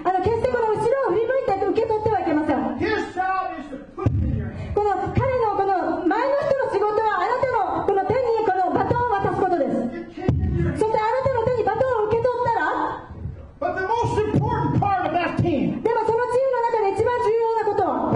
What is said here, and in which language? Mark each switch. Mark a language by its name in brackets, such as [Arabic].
[Japanese] 決してこの後ろを振り向いて受け取ってはいけません。 [English] His job is to put it in your hand. [Japanese] この彼のこの前の人の仕事はあなたのこの手にこのバトンを渡すことです。そしてあなたの手にバトンを受け取ったら。 [English] But the most important part of that team. [Japanese] でもそのチームの中で一番重要なことは。